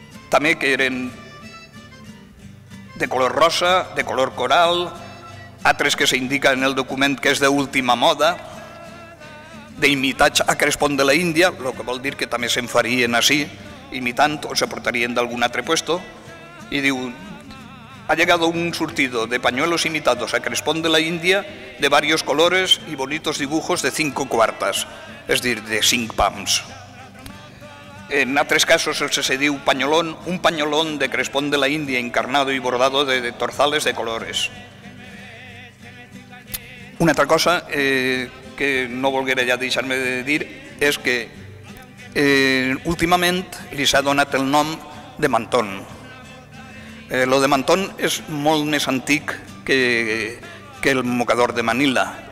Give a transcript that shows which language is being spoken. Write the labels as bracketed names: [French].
[Catalan] també que eren de color rosa, de color coral, altres que s'indica en el document que és d'última moda, d'imitatge a crespón de la Índia, el que vol dir que també se'n farien així, imitant o se portarien d'algun altre puesto, i diu, [Spanish] ha llegado un surtido de pañuelos imitados a crespón de la Índia de varios colores y bonitos dibujos de 5 cuartas, [Catalan] és a dir, de 5 pams. En altres casos se diu pañolón, [Spanish] un pañolón de crespón de la Índia encarnado y bordado de torzales de colores. [Catalan] Una altra cosa que no volguera ja deixar-me de dir és que últimament li s'ha donat el nom de mantón. Lo de mantón és molt més antic que el mocador de Manila.